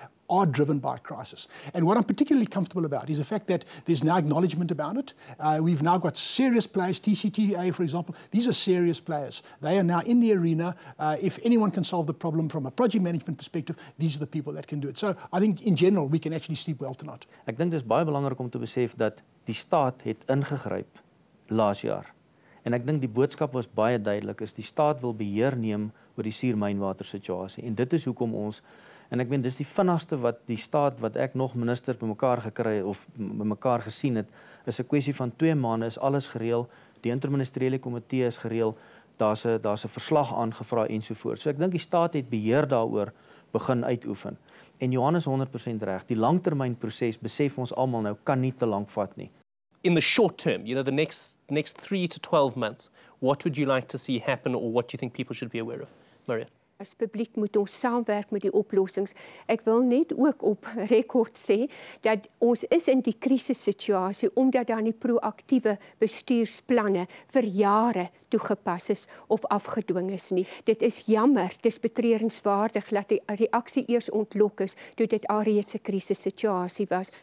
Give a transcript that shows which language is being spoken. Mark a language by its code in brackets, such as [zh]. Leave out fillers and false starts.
[en] are driven by crisis. And what I'm particularly comfortable about is the fact that there's now acknowledgement about it. We've now got serious players, TCTA, for example. These are serious players. They are now in the arena. If anyone can solve the problem from a project management perspective, these are the people that can do it. So I think, in general, we can actually sleep well tonight. [af] Ek dink dis baie belangrik om te besef dat die staat het ingegryp laas jaar. En ek dink die boodskap was baie duidelik, is die staat wil beheer neem oor die suurmynwater situasie. En dit is hoekom ons, en ek meen, dis die vinnigste wat die staat, wat ek nog ministers bymekaar gekry of bymekaar gesien het, is 'n kwessie van 2 maande, is alles gereël, die interministeriële komitee is gereël, daar's 'n verslag aangevra en so voort. So ek dink die staat het beheer daaroor begin uitoefen. En Johan is 100% reg, die langtermynproses, besef ons almal nou, kan nie te lank vat nie. [en] In the short term, you know, the next 3 to 12 months, what would you like to see happen, or what do you think people should be aware of? Mariette. [af] As publiek moet ons saamwerk met die oplossings. Ek wil net ook op rekord sê dat ons is in die krisissituasie omdat daar nie proaktiewe bestuursplanne vir jare toegepas is of afgedwing is nie. Dit is jammer, dis betreurenswaardig dat die reaksie eers ontlok is toe dit alreeds 'n krisissituasie was.